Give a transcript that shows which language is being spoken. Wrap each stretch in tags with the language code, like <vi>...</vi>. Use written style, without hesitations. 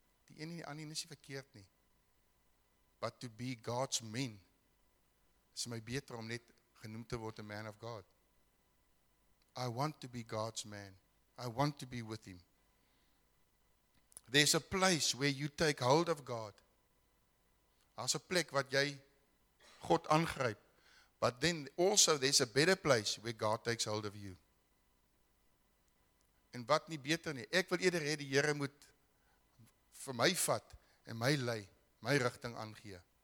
<af>Die ene en die ander is nie verkeerd nie.</af> <en>But to be God's men</en> <af>is my beter om net genoem te word</af> <en>a man of God. I want to be God's man. I want to be with him. There's a place where you take hold of God. There's a</en> <af>plek wat jy God aangryp.</af> <en>But then also there's a better place where God takes hold of you.</en> <af>En wat nie beter nie. Ek wil eerder hê die Here moet vir my vat en my lei, my rigting aangee.</af>